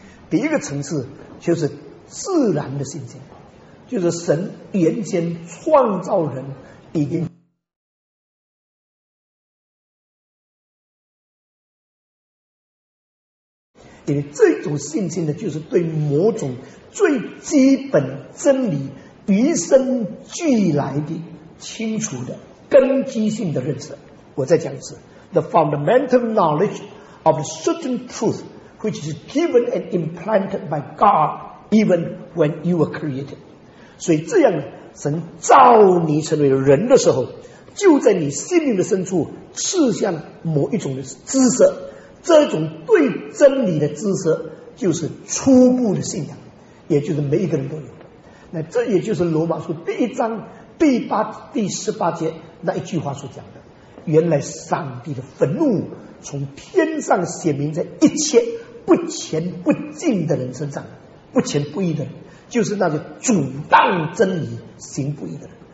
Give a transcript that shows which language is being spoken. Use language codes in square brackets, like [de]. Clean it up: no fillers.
[zh] 第一个层次就是自然的信心，就是神原先创造人已经因为这种信心呢，就是对某种最基本真理与生俱来的清楚的根基性的认识。我再讲一次 [en] The fundamental knowledge of certain truthwhich is given and implanted by God even when you were created. [zh] 所以这样神造你成为人的时候，就在你心灵的深处赐下某一种的知识，这种对真理的知识就是初步的信仰，也就是每一个人都有。那这也就是罗马书第一章第八第十八节那一句话所讲的，原来上帝的愤怒从天上显明在一切不前不进的人身上，不前不义的人就是那个阻挡真理行不义的人。